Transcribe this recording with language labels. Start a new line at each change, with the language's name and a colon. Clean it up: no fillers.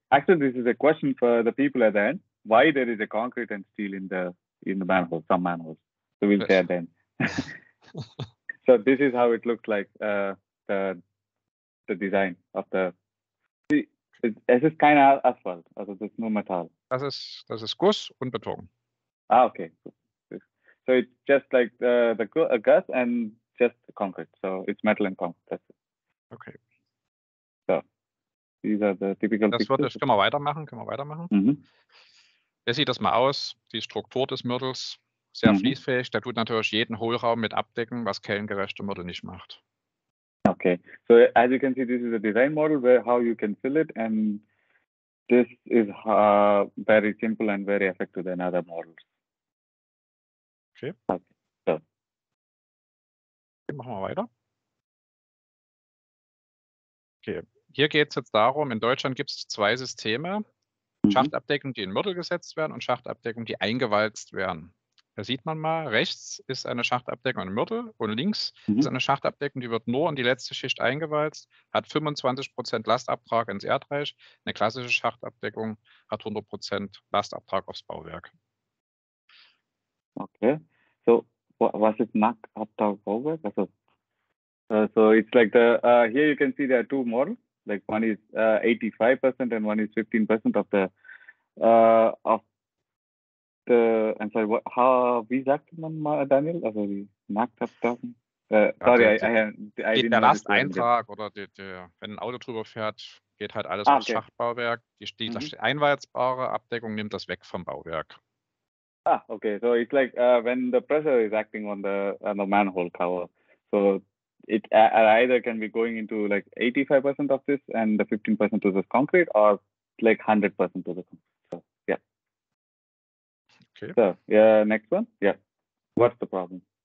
English: Actually, this is a question for the people at the end. Why there is a concrete and steel in the manhole, some manholes. So we'll say at the end. So this is how it looks like the design of the...
German: Es ist kein Asphalt, also das ist nur Metall. Das ist Guss und Beton. Ah, okay.
English: So it's just like the guss and just the concrete. So it's metal and concrete. That's it. Okay. So these are the typical
German: pictures. Können wir weitermachen? Mhm. Wie sieht das mal aus, die Struktur des Mörtels, sehr fließfähig. Der tut natürlich jeden Hohlraum mit abdecken, was kellengerechte Mörtel nicht macht.
English: Okay, so as you can see, this is a design model where how you can fill it, and this is very simple and very effective than other models.
German: Okay. Machen wir weiter. Okay, hier geht es jetzt darum, in Deutschland gibt es zwei Systeme, Schachtabdeckung, die in Mörtel gesetzt werden, und Schachtabdeckung, die eingewalzt werden. Da sieht man mal, rechts ist eine Schachtabdeckung in Mörtel und links ist eine Schachtabdeckung, die wird nur in die letzte Schicht eingewalzt, hat 25% Lastabtrag ins Erdreich. Eine klassische Schachtabdeckung hat 100% Lastabtrag aufs Bauwerk. Okay, so was ist Nackabtrag Bauwerk?
English: So it's like the, here you can see there are two models, like one is 85% and one is 15% of the,
German: wie sagt man mal, Daniel? Also die Nacktabdeckung. Der Lasteintrag oder wenn ein Auto drüber fährt, geht halt alles aufs Schachtbauwerk. Die einwalzbare Abdeckung nimmt das weg vom Bauwerk.
English: Ah, okay. So it's like when the pressure is acting on the manhole cover. So it either can be going into like 85% of this and the 15% to this concrete, or like 100% to the concrete. Okay. So, yeah, next one. Yeah. What's the problem?